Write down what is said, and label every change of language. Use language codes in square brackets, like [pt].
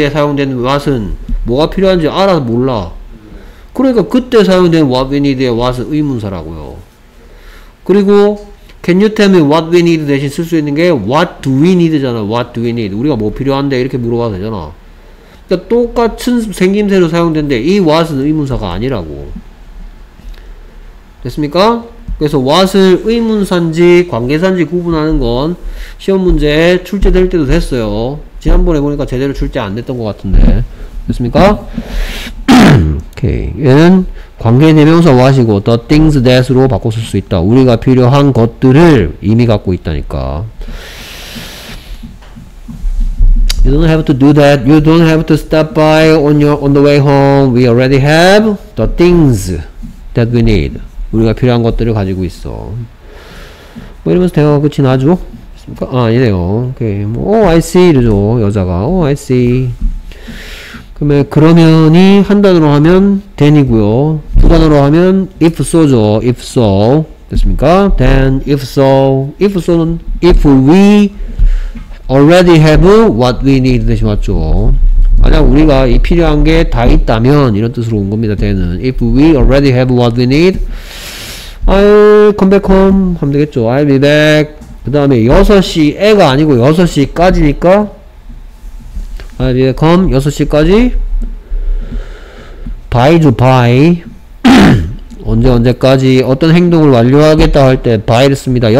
[ko] 에 사용된 what은 뭐가 필요한지 알아서 몰라. 그러니까 그때 사용된 [en] what we need? [ko] 의 what은 의문사라고요. [en] 그리고 Can you tell me what we need? [ko] 대신 쓸 수 있는 게 [en] what do we need? [ko] 잖아. [en] What do we need? [ko] 우리가 뭐 필요한데? 이렇게 물어봐도 되잖아. 그러니까 똑같은 생김새로 사용된데 이 what은 의문사가 아니라고. 됐습니까? 그래서 what을 의문사인지 관계사인지 구분하는 건 시험 문제에 출제될 때도 됐어요. 지난번에 보니까 제대로 출제 안 됐던 것 같은데. 됐습니까? 오케이. 얘는 관계 대명사로 하시고 the things that로 바꿔 쓸 수 있다. 우리가 필요한 것들을 이미 갖고 있다니까. [en] You don't have to do that. You don't have to stop by on the way home. We already have the things that we need. [ko] 우리가 필요한 것들을 가지고 있어. 뭐 이러면서 대화가 끝이 나죠? 아, 아니네요. 오케이. 뭐, [en] oh, I see. [ko] 이러죠. 여자가. [en] Oh, I see. [ko] 그러면, 그러면이 한 단어로 하면 then이고요. 두 단어로 하면 if so죠. If so. 됐습니까? [en] Then, if so. If so는 if we already have what we need. [ko] 대신 맞죠. 만약 우리가 이 필요한 게 다 있다면 이런 뜻으로 온 겁니다. [en] then은. If we already have what we need, I'll come back home. [ko] 하면 되겠죠. [en] I'll be back. [ko] 그 다음에 6시에가 아니고 6시까지니까 [en] I'll be back home [ko] 6시까지 by죠 by 언제 언제까지 어떤 행동을 완료하겠다 할 때 by를 씁니다.